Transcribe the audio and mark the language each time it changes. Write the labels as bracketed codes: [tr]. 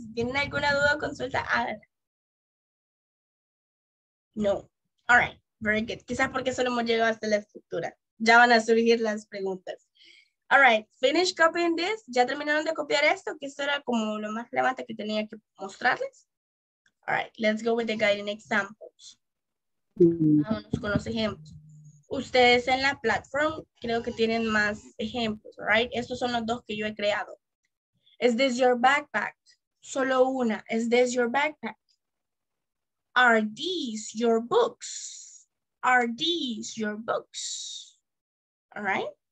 [es] Si tienen alguna duda o consulta, háganla. [en] No. All right, very good. [es] Quizás porque solo hemos llegado hasta la estructura. Ya van a surgir las preguntas. [en] All right, finish copying this. [es] ¿Ya terminaron de copiar esto? Que esto era como lo más relevante que tenía que mostrarles. [en] All right, let's go with the guiding examples. [es] Vámonos con los ejemplos. Ustedes en la platform creo que tienen más ejemplos, right? Estos son los dos que yo he creado. [en] Is this your backpack? [es] Solo una. [en] Is this your backpack? Are these your books? Are these your books? All right.